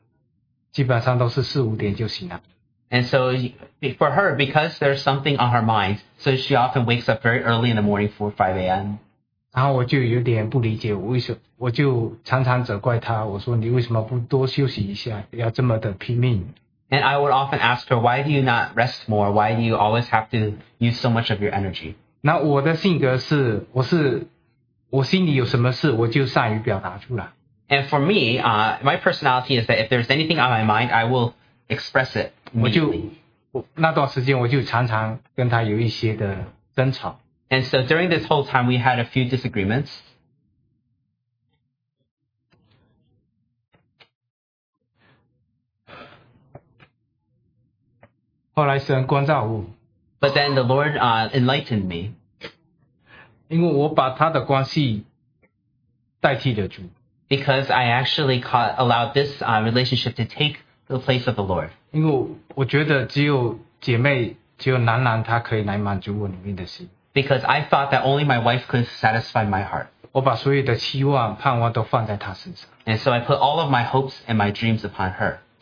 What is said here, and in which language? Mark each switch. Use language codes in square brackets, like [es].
[zh] 因为她这个人只要是她头脑里面有事情，她早上都是基本上都是4-5点就醒了。 [en] And so for her, because there's something on her mind, so she often wakes up very early in the morning, 4 or 5 a.m. [zh] 然后我就有点不理解，我就常常责怪她，我说你为什么不多休息一下，要这么的拼命。 [en] And I would often ask her, why do you not rest more? Why do you always have to use so much of your energy? [zh] 那我的性格是，我心里有什么事，我就善于表达出来。 [en] And for me, my personality is that if there's anything on my mind, I will express it. [zh] 那段时间我就常常跟他有一些的争吵。 [en] And so during this whole time, we had a few disagreements. [zh] 后来神光照我。 [en] But then the Lord enlightened me. [zh] 因为我把他的关系代替了主。 [en] Because I actually allowed this relationship to take the place of the Lord. [zh] 因为我觉得只有姐妹,只有楠楠她可以来满足我里面的心。 [en] Because I thought that only my wife could satisfy my heart. [zh] 我把所有的期望,盼望都放在她身上。 [en] And so I put all of my hopes and my dreams upon her.